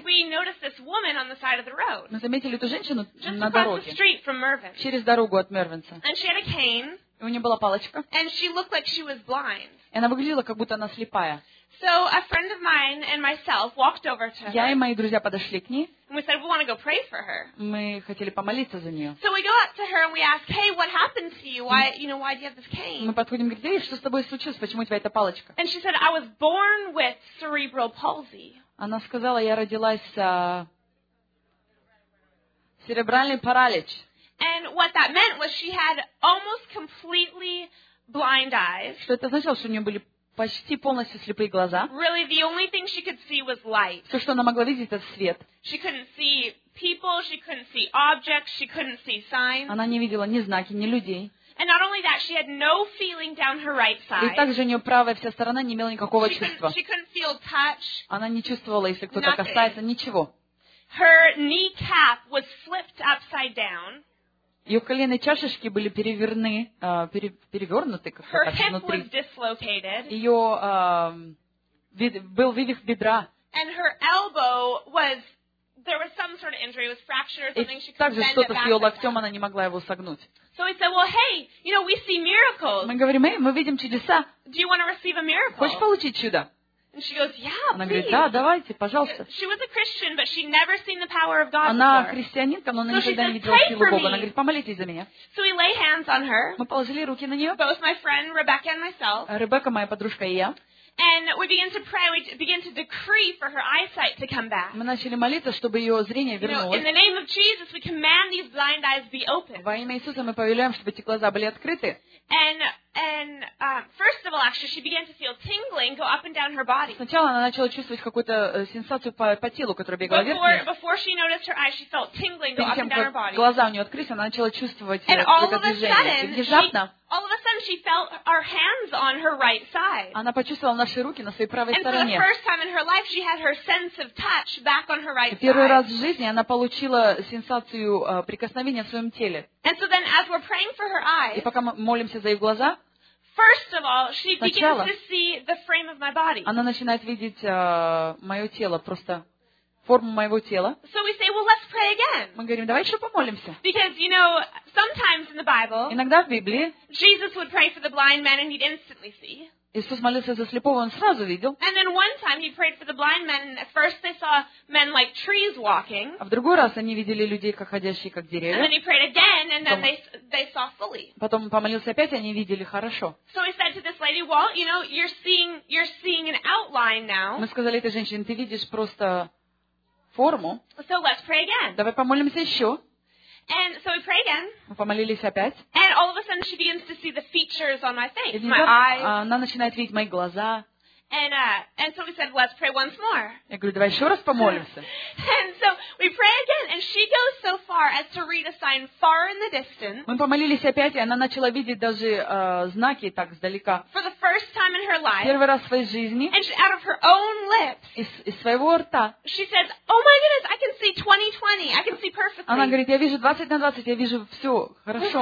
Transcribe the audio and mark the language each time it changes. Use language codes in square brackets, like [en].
[en] we noticed this woman on the side of the road. [ru] Мы заметили эту женщину [en] just [ru] на дороге. [en] The street from Mervins. [ru] Через дорогу от Мервинса. [en] And she had a cane. [ru] И у нее была палочка. [en] And she looked like she was blind. [ru] И она выглядела, как будто она слепая. [en] So a friend of mine and myself walked over to her. [ru] Я и мои друзья подошли к ней. [en] And we said we want to go pray for her. [ru] Мы хотели помолиться за нее. [en] So we go up to her and we ask, "Hey, what happened to you? Why, you know, why do you have this cane?" [ru] Мы подходим к ней, что с тобой случилось? Почему у тебя эта палочка? [en] And she said, "I was born with cerebral palsy." [ru] Она сказала, я родилась с церебральным паралич. [en] And what that meant was she had almost completely blind eyes. [ru] Что это означало, что у нее были почти полностью слепые глаза. [en] Really, the only thing she could see was light. [ru] Все, что она могла видеть, это свет. [en] She couldn't see people, she couldn't see objects, she couldn't see signs. [ru] Она не видела ни знаки, ни людей. [en] And not only that, she had no feeling down her right side. [ru] И также у нее правая вся сторона не имела никакого чувства. [en] She couldn't feel touch. [ru] Она не чувствовала, если кто-то касается, ничего. [en] Her kneecap was flipped upside down. [ru] Ее колени и чашечки были перевернуты как-то [en] her [ru] так, внутри. [en] Her hip was dislocated. [ru] Ее был вывих бедра. [en] And her elbow was, there was some sort of injury, it was fractured, something she couldn't bend it back. [ru] И также что-то с ее локтем, она не могла его согнуть. [en] So we said, "Well, hey, you know, we see miracles." [ru] Мы говорим, эй, мы видим чудеса. [en] Do you want to receive a miracle? [ru] Хочешь получить чудо? [en] And she goes, "Yeah, please." [ru] Она говорит, да, давайте, пожалуйста. [en] She was a Christian, but she'd never seen the power of God. [ru] Она христианинка, но она никогда не видела силу Бога. Она говорит, помолитесь за меня. [en] So we lay hands on her. [ru] Мы положили руки на нее. [en] Both my friend Rebecca and myself. [ru] Ребекка, моя подружка и я. [en] And we begin to pray, we begin to decree for her eyesight to come back. [ru] Мы начали молиться, чтобы ее зрение вернулось. [en] You know, in the name of Jesus, we command these blind eyes be opened. [ru] Во имя Иисуса мы повелеваем, чтобы эти глаза были открыты. [en] First of all, actually, she began to feel tingling go up and down her body. [ru] Сначала она начала чувствовать какую-то сенсацию по телу, которая бегала вверх. [en] Before she noticed her eyes, she felt tingling go up and down her body. [ru] Перед тем, как глаза у нее открылись, она начала чувствовать какое-то движение. И внезапно [en] all of a sudden, she felt our hands on her right side. [ru] Она почувствовала наши руки на своей правой стороне. [en] And for the first time in her life, she had her sense of touch back on her right side. [ru] Первый раз в жизни она получила сенсацию прикосновения в своем теле. [en] And so then, as we're praying for her eyes, [ru] и пока мы молимся за ее глаза, [en] first of all, she begins to see the frame of my body. [ru] Она начинает видеть мое тело просто. Форму моего тела. [en] So we say, well, let's pray again. [ru] Мы говорим, давай еще помолимся. [en] Because, you know, sometimes in the Bible, [ru] иногда в Библии [en] Jesus would pray for the blind man and he'd instantly see. [ru] Иисус молился за слепого, он сразу видел. [en] And then one time he prayed for the blind man and at first they saw men like trees walking. [ru] А в другой раз они видели людей, как ходящие, как деревья. [en] And then he prayed again and then they saw fully. [ru] Потом помолился опять, и они видели хорошо. [en] So he said to this lady, well, you know, you're seeing an outline now. [ru] Мы сказали этой женщине, ты видишь просто форму. [en] So let's pray again. [ru] Давай помолимся еще. [en] And so we pray again. [ru] Мы помолились опять. [en] And all of a sudden she begins to see the features on my face, [ru] и [en] my eyes. [ru] Она начинает видеть мои глаза. [en] And so we said, let's pray once more. [ru] Я говорю, давай еще раз помолимся. [en] And so we pray again, and she goes so far as to read a sign far in the distance. [ru] Мы помолились опять, и она начала видеть даже знаки так сдалека. [en] For the first time in her life. [ru] Первый раз в своей жизни. [en] And she, out of her own lips. [ru] Из своего рта. [en] She says, oh my goodness, I can see 20/20. I can see perfectly. [ru] Она говорит, я вижу 20/20, я вижу все хорошо.